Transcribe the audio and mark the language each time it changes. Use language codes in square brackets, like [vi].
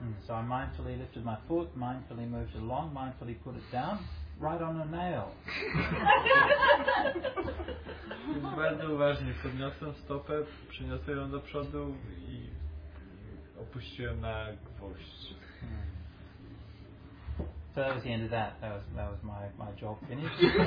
[en] So I mindfully lifted my foot, mindfully moved it along, mindfully put it down, right on a nail. [pl] Bardzo uważnie podniosłem stopę, przeniosłem ją do przodu i opuściłem na gwoźdź. [en] So that was the end of that. That was my job finished.